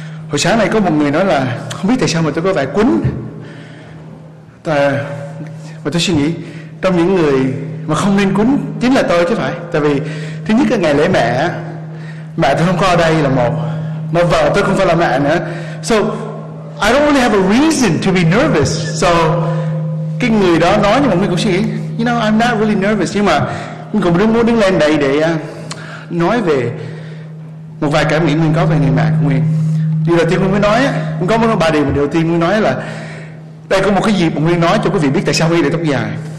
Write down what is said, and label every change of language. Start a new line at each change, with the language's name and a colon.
Vietnamese: Hồi sáng nay có một người nói là không biết tại sao mà tôi có vẻ quấn. Và tôi suy nghĩ, trong những người mà không nên quấn chính là tôi chứ phải. Tại vì thứ nhất là ngày lễ mẹ, mẹ tôi không có ở đây là một, mà vợ tôi không phải là mẹ nữa.
English: So I don't really have a reason to be nervous.
Vietnamese: So cái người đó nói, nhưng mà mình cũng suy nghĩ,
English: you know, I'm not really nervous.
Vietnamese: Nhưng mà mình cũng muốn đứng lên đây để nói về một vài cảm nghĩ mình có về người mẹ của Nguyên. Điều đầu tiên mình mới nói, mình có một ba điều mà đầu tiên mình nói là đây có một cái dịp mà Nguyên nói cho quý vị biết tại sao Nguyên để tóc dài.